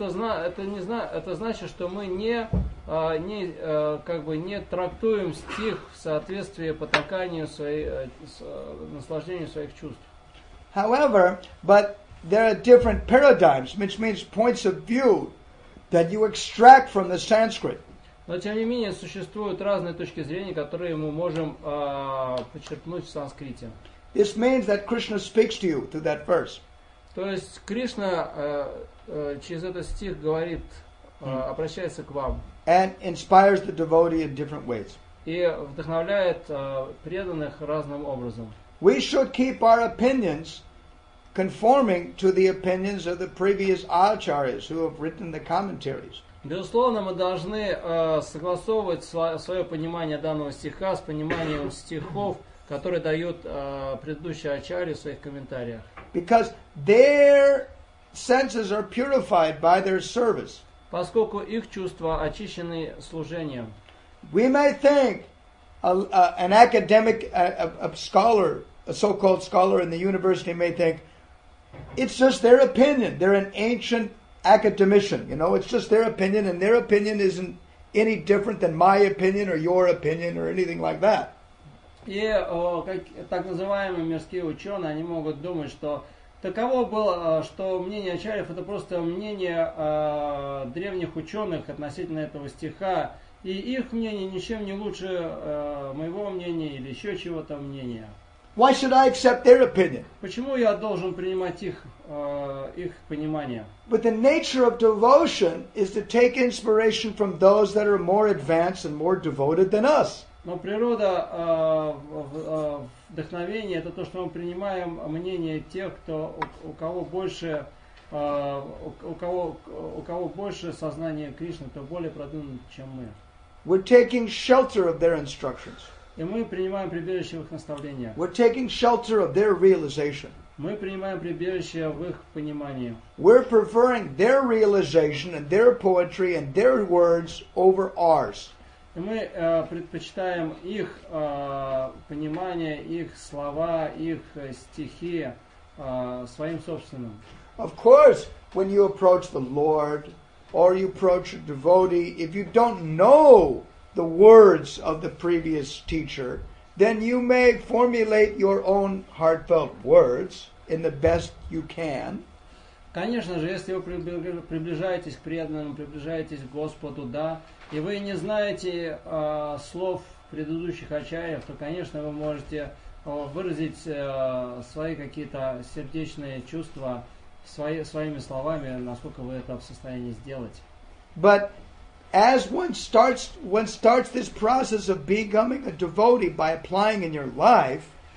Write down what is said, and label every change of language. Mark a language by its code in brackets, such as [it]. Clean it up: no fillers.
[ru] Это значит, что мы не трактуем стих в соответствии потаканию наслаждению своих чувств. [en] However, but there are different paradigms, which means points of view that you extract from the Sanskrit. [ru] Но тем не менее существуют разные точки зрения, которые мы можем почерпнуть в санскрите. [en] This means that Krishna speaks to you through that verse. [ru] То есть Кришна через этот стих говорит, обращается к вам. [en] And inspires the devotee in different ways. [ru] И вдохновляет преданных разным образом. [en] We should keep our opinions conforming to the opinions of the previous acharyas who have written the commentaries. [ru] Безусловно, мы должны согласовывать свое понимание данного стиха с пониманием стихов, которые дают предыдущие ачарьи в своих комментариях. [en] Because their senses are purified by their service. [ru] Поскольку их чувства очищены служением. [en] We may think an academic scholar, a so-called scholar in the university may think it's just their opinion. They're an ancient academician, you know, it's just their opinion, and their opinion isn't any different than my opinion or your opinion or anything like that. [ru] И как, так называемые мирские ученые, они могут думать, что таково было, что мнение ачарьев это просто мнение древних ученых относительно этого стиха, и их мнение ничем не лучше моего мнения или еще чего-то мнения. [en] Why should I accept their opinion? [ru] Почему я должен принимать их, их понимание? [en] But the nature of devotion is to take inspiration from those that are more advanced and more devoted than us. [ru] Но природа вдохновения – это то, что мы принимаем мнение тех, кто у кого больше сознания Кришны, кто более продвинут, чем мы. [en] We're taking shelter of their instructions. [ru] И мы принимаем прибежище в их наставлениях. [en] We're taking shelter of their realization. [ru] Мы принимаем прибежище в их понимании. [en] We're preferring their realization and their poetry and their words over ours. [ru] И мы предпочитаем их понимание, их слова, их стихи своим собственным. [en] Of course, when you approach the Lord or you approach a devotee, if you don't know the words of the previous teacher, then you may formulate your own heartfelt words in the best you can. [ru] Конечно же, если вы приближаетесь к преданному, приближаетесь к Господу, да, и вы не знаете слов предыдущих ачарьев, то, конечно, вы можете выразить свои какие-то сердечные чувства своими словами, насколько вы это в состоянии сделать. [en] But as one starts this process of becoming a devotee by applying in your life,